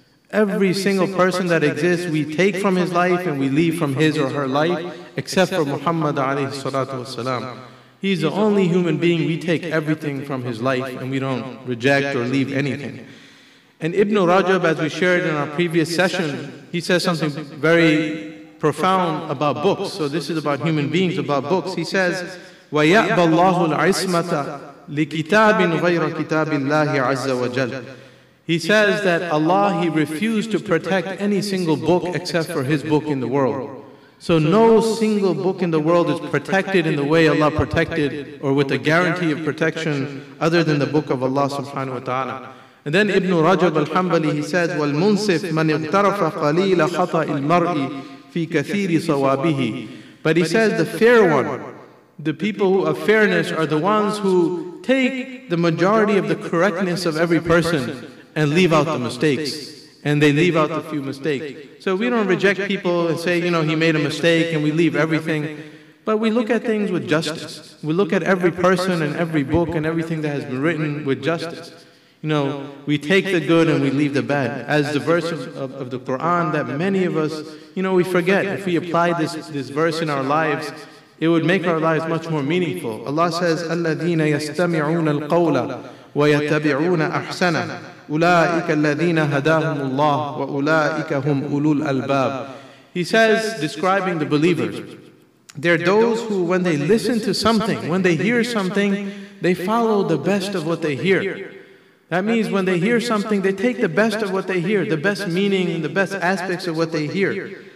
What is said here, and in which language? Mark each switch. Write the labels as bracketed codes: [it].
[en] Every single person that exists, we take from his life and we leave from his or her life, except for Muhammad alayhi salatu wasalam. He's the only human being, we take everything from his life and we don't reject or leave anything. And Ibn Rajab, as we shared in our previous session, he says something very profound about books. So this is about human beings, about books. He says, [ar] وَيَأْبَ اللَّهُ الْعِصْمَةَ لِكِتَابٍ غَيْرَ كِتَابِ اللَّهِ عَزَّ وَجَلَّ. [en] He says that Allah, He refused to protect any single book except for His book in the world. So no single book in the world is protected in the way Allah protected, or with a guarantee of protection other than the book of Allah subhanahu wa ta'ala. And then Ibn Rajab al-Hanbali, he says, [ar] وَالْمُنْسِفْ مَنْ اِغْتَرَفَ قَلِيلَ خَطَأِ الْمَرْءِ فِي كَثِيرِ صَوَابِهِ. [en] But he says the fair one, the people who have fairness are the ones who take the majority of the correctness of every person and leave out the mistakes. And they leave out the few mistakes. So we don't reject people and say, you know, he made a mistake and we leave everything. But we look at things with justice. We look at every person and every book and everything that has been written with justice. You know, we take the good and we leave the bad. As the verse of the Quran that many of us, you know, we forget. If we apply this verse in our lives, it would make our lives much more meaningful. Allah says, [ar] أَلَّذِينَ يَسْتَمِعُونَ الْقَوْلَ وَيَتَّبِعُونَ أَحْسَنَ أُولَٰئِكَ الَّذِينَ هَدَاهُمُ اللَّهُ وَأُولَٰئِكَ هُمْ أُولُو الْأَلْبَابِ. [en] He says, describing the believers, they're those who, when they listen to something, when they hear something, they follow the best of what they hear. That means when they hear something, they take the best of what they hear, the best meaning and the best aspects of what they hear.